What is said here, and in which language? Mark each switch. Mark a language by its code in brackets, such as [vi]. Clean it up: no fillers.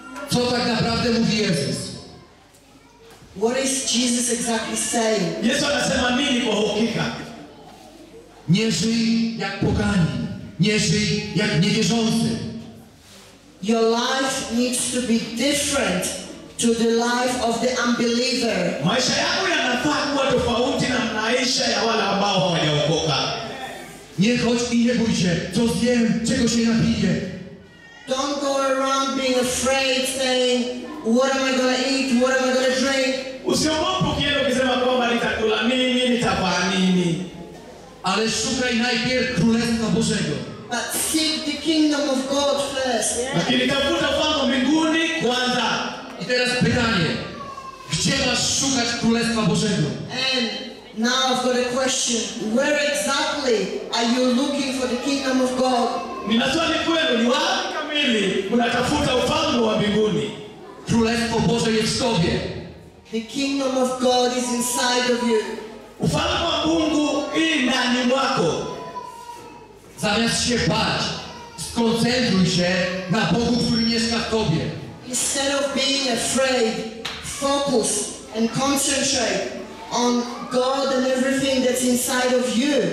[pl] Co tak naprawdę mówi Jezus? [en] What is Jesus exactly saying? [sw] Yesu anasema nini kwa hakika? [pl] Nie żyj jak pogani. Nie żyj jak niewierzący. [en] Your life needs to be different to the life of the unbeliever. [sw] Maisha yako yanafaa kuwa tofauti na maisha ya wale ambao hawajaokoka. [pl] Nie chodź i nie bój się. Co zjem, czego się napiję. [en] Don't go around being afraid, saying, what am I going to eat? What am I going to drink? [sw] Usiogope kile ukisema kwamba nitakula nini, nitafanya nini. [pl] Ale szukaj najpierw królestwa Bożego. [en] But seek the kingdom of God first. [sw] Lakini tafuta ufalme wa mbinguni kwanza. [pl] I teraz pytanie. Gdzie masz szukać królestwa Bożego? [en] And now I've got a question. Where exactly are you looking for the kingdom of God? [sw] Ninaswali kwenu, ni wapi kamili unatafuta ufalme wa mbinguni? [pl] Królestwo Boże jest w sobie. [en] The kingdom of God is inside of you. [sw] Ufalme wa Mungu ii ndani mwako. [pl] Zamiast się bać, skoncentruj się na Bogu, który mieszka w tobie. [en] Instead of being afraid, focus and concentrate on God and everything that's inside of you.